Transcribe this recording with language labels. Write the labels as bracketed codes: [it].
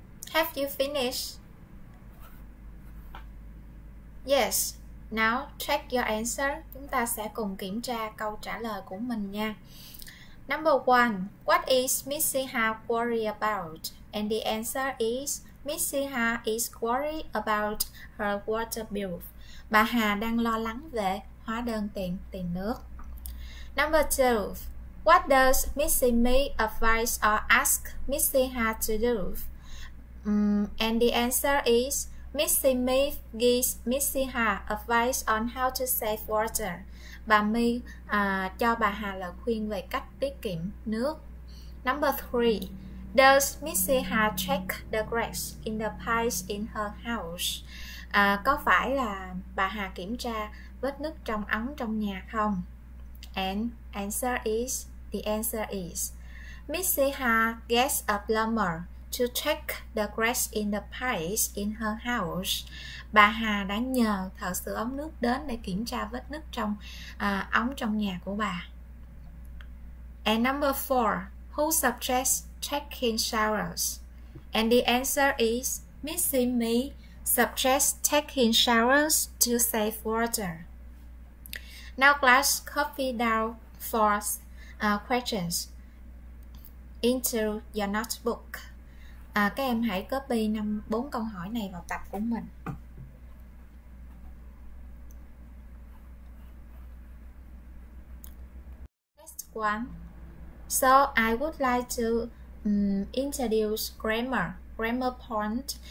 [en] Have you finished? Yes. Now check your answer. [vi] Chúng ta sẽ cùng kiểm tra câu trả lời của mình nha. [en] Number 1. What is Missy Ha worry about? And the answer is Missy Ha is worried about her water bill. [vi] Bà Hà đang lo lắng về hóa đơn tiền nước. [en] Number 2. What does Missy Me advise or ask Missy Ha to do? And the answer is Missy Me gives Missy Ha advice on how to save water. [vi] Bà My cho bà Hà lời khuyên về cách tiết kiệm nước. [en] Number 3. Does Missy Ha check the grass in the pipes in her house? [vi] Có phải là bà Hà kiểm tra vết nứt trong ống trong nhà không? [en] And answer is the answer is Missy Ha gets a plumber to check the grass in the pipes in her house. [vi] Bà Hà đã nhờ thợ sửa ống nước đến để kiểm tra vết nứt trong ống trong nhà của bà. [en] And number 4. Who suggests taking showers? And the answer is Missy Me suggests taking showers to save water. Now class, copy down 4 questions into your notebook. [vi] Các em hãy copy 4 câu hỏi này vào tập của mình. [en] Next one. So I would like to introduce grammar. Grammar point.